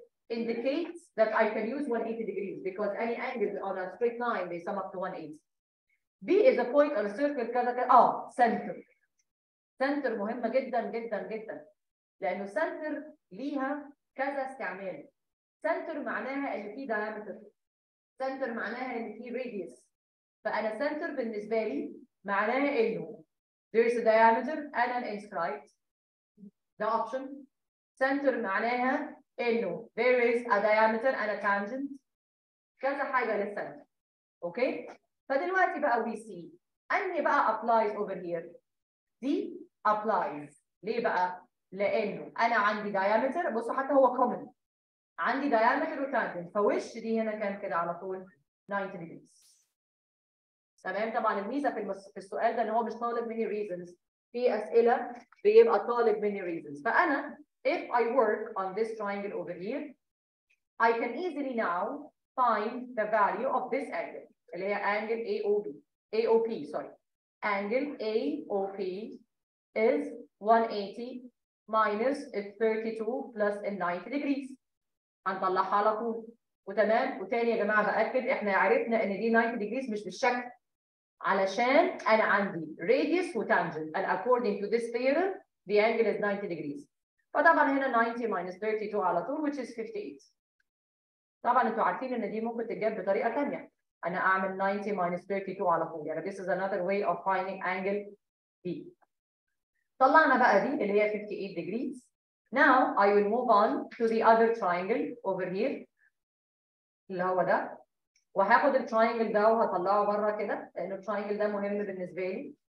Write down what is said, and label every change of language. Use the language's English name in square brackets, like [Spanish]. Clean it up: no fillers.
[English] indicates that I can use 180 degrees because any angle on a straight line they sum up to 180. B is a point on a circle [Arabic] كذا كذا. آه [English] center. [Arabic] center مهمة جدا جدا جدا لأنه center ليها كذا استعمال. center معناها إن في diameter. center معناها إن في radius. [English] فأنا center [Arabic] بالنسبة لي معناها إنه [English] there is a diameter and an inscribed. the option. center [Arabic] معناها إنه [English] there is a diameter and a tangent. [Arabic] كذا حاجة للcenter. okay. فدلوقتي بقى [English] we see [Arabic] أني بقى [English] applies over here. [Arabic] D applies. ليه بقى؟ لأنه أنا عندي diameter. بصوا حتى هو common. عندي diameter وtangent. فوش دي هنا كان كده على طول 90 degrees. تمام. طبعا الميزة في السؤال ده إن هو مش طالب مني reasons. في أسئلة بيبقى طالب مني reasons. [English] فأنا if I work on this triangle over here, I can easily now find the value of this angle. [Arabic] اللي هي [English] angle AOP. AOP, sorry. Angle AOP is 180 minus 32 plus 90 degrees. [Arabic] هنطلعها على طول. وتمام. وتاني يا جماعة بأكد إحنا عرفنا إن دي 90 degrees مش بالشكل. علشان أنا عندي radius وtangent. [English] And according to this theorem, the angle is 90 degrees. [Arabic] فطبعا هنا 90 minus 32 على طول, [English] which is 58. [Arabic] طبعا أنتوا عارفين إن دي ممكن تتجاب بطريقة تانية. أنا أعمل 90 minus 32 على طول. [English] يعني this is another way of finding angle B. طلعنا بقى دي اللي هي 58 degrees. Now I will move on to the other triangle over here. [Arabic] اللي هو ده. وهاخد التراينجل ده وهطلعه بره كده لان التراينجل ده مهم بالنسبه لي.